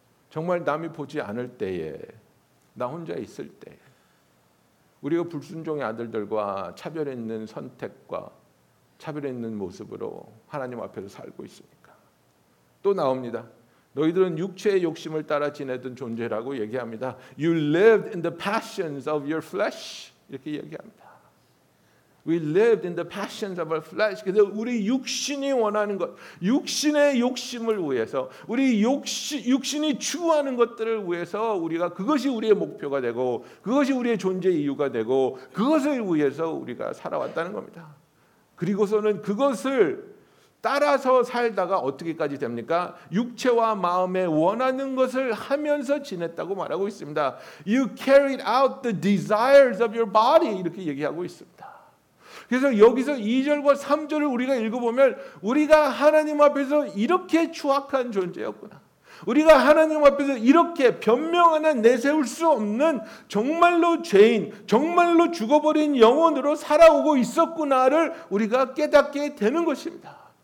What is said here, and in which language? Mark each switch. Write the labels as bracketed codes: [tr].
[ko] 정말 남이 보지 않을 때에 나 혼자 있을 때 우리가 불순종의 아들들과 차별 있는 선택과 차별 있는 모습으로 하나님 앞에서 살고 있으니까 또 나옵니다. 너희들은 육체의 욕심을 따라 지내던 존재라고 얘기합니다. [en] You lived in the passions of your flesh. [ko] 이렇게 얘기합니다. [en] We lived in the passions of our flesh. [ko] 그래서 우리 육신이 원하는 것, 육신의 욕심을 위해서, 우리 육신이 추구하는 것들을 위해서 우리가 그것이 우리의 목표가 되고 그것이 우리의 존재 이유가 되고 그것을 위해서 우리가 살아왔다는 겁니다. 그리고서는 그것을 따라서 살다가 어떻게까지 됩니까? 육체와 마음에 원하는 것을 하면서 지냈다고 말하고 있습니다. [en] You carried out the desires of your body. [ko] 이렇게 얘기하고 있습니다. 그래서 여기서 2절과 3절을 우리가 읽어보면 우리가 하나님 앞에서 이렇게 추악한 존재였구나. 우리가 하나님 앞에서 이렇게 변명 하나 내세울 수 없는 정말로 죄인, 정말로 죽어버린 영혼으로 살아오고 있었구나를 우리가 깨닫게 되는 것입니다.